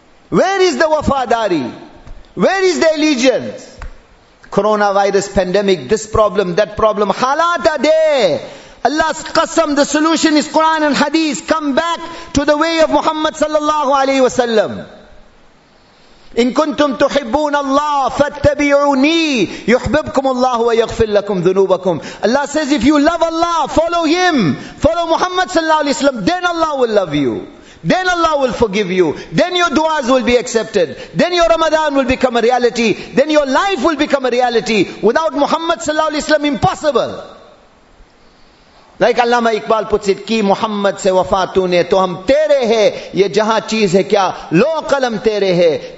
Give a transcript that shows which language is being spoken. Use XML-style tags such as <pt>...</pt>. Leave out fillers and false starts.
<en>Where is the wafadari? Where is the allegiance? Coronavirus pandemic, this problem, that problem. Halat are there. Allah's qasam, the solution is Quran and Hadith. Come back to the way of Muhammad sallallahu alayhi wa sallam.</en> <ar>إن كنتم تحبون الله فاتبعوني يحببكم الله ويغفر لكم ذنوبكم.</ar> <en>Allah says, if you love Allah, follow him, follow Muhammad sallallahu alaihi wasallam, then Allah will love you, then Allah will forgive you, then your du'as will be accepted, then your Ramadan will become a reality, then your life will become a reality. Without Muhammad sallallahu alaihi wasallam, impossible. Like Allama Iqbal puts it,</en> <ur>ki Muhammad se wafatune, to hum tere hai,</ur> <en>ye jahan cheez hai kya, lo qalam tere hai.</en>